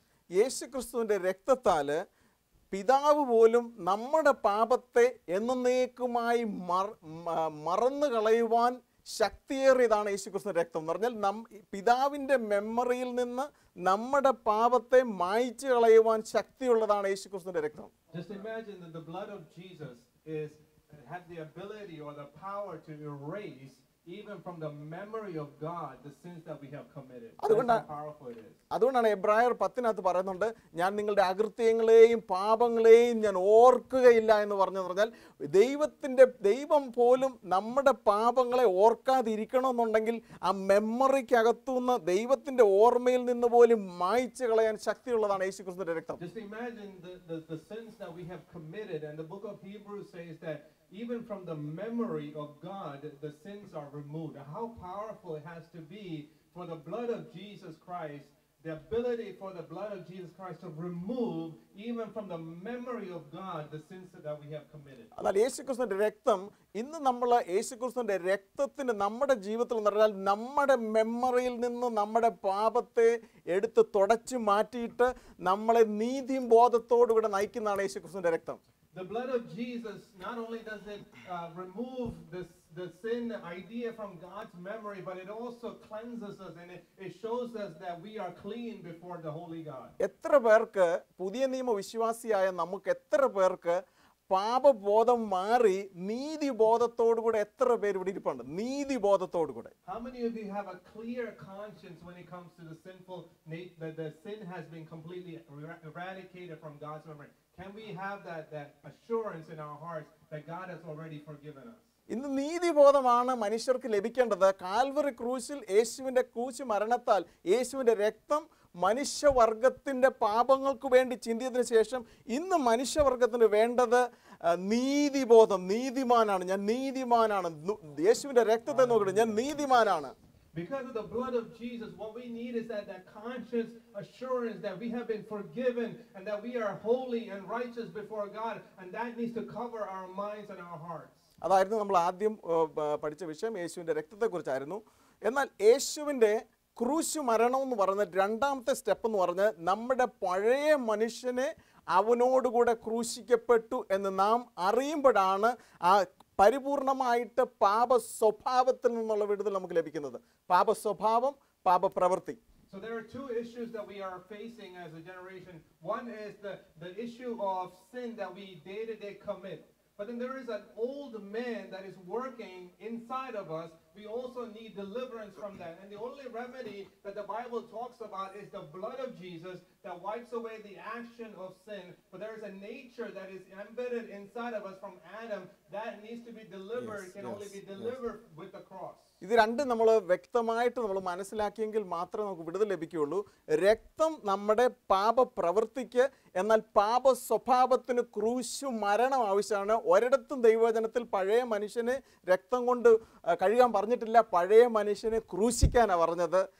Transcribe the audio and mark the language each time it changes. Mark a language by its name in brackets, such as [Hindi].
[Malayalam] യേശു ക്രിസ്തുവിന്റെ രക്തത്താല് പിതാവ് പോലും നമ്മുടെ പാപത്തെ എന്നേക്കുമായി മറന്നു കളയുവാൻ ശക്തിയേറിയതാണ് യേശു ക്രിസ്തുവിന്റെ രക്തം എന്ന് പറഞ്ഞാൽ പിതാവിന്റെ മെമ്മറിയിൽ നിന്ന് നമ്മുടെ പാപത്തെ മായ്ച്ചു കളയുവാൻ ശക്തിയുള്ളതാണ് യേശു ക്രിസ്തുവിന്റെ രക്തം. [English] Just imagine that the blood of Jesus is had the ability or the power to erase even from the memory of God the sins that we have committed. [Malayalam] അതുകൊണ്ടാണ് എബ്രായർ 10-നകത്ത് പറയുന്നുണ്ട്, ഞാൻ നിങ്ങളുടെ അകൃത്യങ്ങളെയും പാപങ്ങളെയും ഞാൻ ഓർക്കുകയില്ല എന്ന് പറഞ്ഞാൽ ദൈവത്തിന്റെ ദൈവം പോലും നമ്മുടെ പാപങ്ങളെ ഓർക്കാതിരിക്കണമെന്നുണ്ടെങ്കിൽ ആ മെമ്മറിക്കകത്തു നിന്ന് ദൈവത്തിന്റെ ഓർമ്മയിൽ നിന്ന് പോലും മായ്ച്ചു കളയാൻ ശക്തിയുള്ളതാണ് യേശു ക്രിസ്തുവിന്റെ രക്തം. [English] Just imagine the sins that we have committed and the book of Hebrews says that even from the memory of God the sins are removed. How powerful it has to be for the blood of Jesus Christ, the ability for the blood of Jesus Christ to remove even from the memory of God the sins that we have committed. [Malayalam] അല്ല, യേശുക്രിസ്തുവിന്റെ രക്തം ഇന്ന് നമ്മൾ യേശുക്രിസ്തുവിന്റെ രക്തത്തിന് നമ്മുടെ ജീവിതത്തിൽ നിറഞ്ഞാൽ നമ്മുടെ മെമ്മറിയിൽ നിന്ന് നമ്മുടെ പാപത്തെ എടുത്ത് തുടച്ചു മാറ്റിയിട്ട് നമ്മളെ നീതിയും ബോധത്തോടെ കൂടെ നയിക്കുന്നതാണ് യേശുക്രിസ്തുവിന്റെ രക്തം. [English] The blood of Jesus not only does it remove the sin idea from God's memory, but it also cleanses us and it shows us that we are clean before the holy God. [Malayalam] എത്ര പേർക്ക് പുതിയ നിയമ വിശ്വാസിയായ നമുക്ക് എത്ര പേർക്ക് പാപബോധം മാറി നീതി ബോധത്തോടു കൂടെ എത്ര പേര് ഇവിടെ ഇരിപ്പുണ്ട്? നീതി ബോധത്തോടു കൂടെ. [English] How many of you have a clear conscience when it comes to the sinful that the sin has been completely eradicated from God's memory? Can we have that assurance in our hearts that God has already forgiven us? [Malayalam] ഇന്ന് നീതിബോധമാണ് മനുഷ്യർക്ക് ലഭിക്കേണ്ടത്. Calvary ക്രൂശിൽ യേശുവിന്റെ ക്രൂശ് മരണത്താൽ യേശുവിന്റെ രക്തം മനുഷ്യവർഗത്തിന്റെ പാപങ്ങൾക്ക് വേണ്ടി ചിന്തിയതിനു ശേഷം ഇന്ന് മനുഷ്യവർഗത്തിന് വേണ്ടത് നീതിബോധം. നീതിമാനാണ്, ഞാൻ നീതിമാനാണ്. യേശുവിന്റെ രക്തത്തെ നോക്കണം, ഞാൻ നീതിമാനാണ്. [English] Because of the blood of Jesus, what we need is that conscious assurance that we have been forgiven and that we are holy and righteous before God, and that needs to cover our minds and our hearts. [Malayalam] അതായിരുന്നു നമ്മൾ ആദ്യം പഠിച്ച വിഷയം, യേശുവിന്റെ രക്തത്തെ കുറിച്ചായിരുന്നു. എന്നാൽ യേശുവിന്റെ ക്രൂശ് മരണം എന്ന് പറഞ്ഞ രണ്ടാമത്തെ സ്റ്റെപ്പ് എന്ന് പറഞ്ഞ് നമ്മുടെ പഴയ മനുഷ്യനെ അവനോടുകൂടെ ക്രൂശിക്കപ്പെട്ടു എന്ന് നാം അറിയുമ്പോഴാണ് ആ പരിപൂർണമായിട്ട് പാപ സ്വഭാവത്തിൽ നിന്നുള്ള വിടുതൽ നമുക്ക് ലഭിക്കുന്നത്. പാപ സ്വഭാവം, പാപ പ്രവൃത്തി. [English] So there are two issues that we are facing as a generation. One is the issue of sin that we day to day commit. But then there is an old man that is working inside of us. We also need deliverance from that. And the only remedy that the Bible talks about is the blood of Jesus that wipes away the action of sin. But there is a nature that is embedded inside of us from Adam that needs to be delivered. Yes, only be delivered, yes, with the cross. [Malayalam] ഇത് രണ്ടും നമ്മൾ വ്യക്തമായിട്ട് നമ്മൾ മനസ്സിലാക്കിയെങ്കിൽ മാത്രമേ നമുക്ക് വിടുതൽ ലഭിക്കുകയുള്ളൂ. രക്തം നമ്മുടെ പാപ പ്രവൃത്തിക്ക്, എന്നാൽ പാപ സ്വഭാവത്തിന് ക്രൂശ് മരണം ആവശ്യമാണ്. ഒരിടത്തും ദൈവവചനത്തിൽ പഴയ മനുഷ്യനെ രക്തം കൊണ്ട് കഴുകാൻ പറഞ്ഞിട്ടില്ല, പഴയ മനുഷ്യനെ ക്രൂശിക്കാനാണ് പറഞ്ഞത്.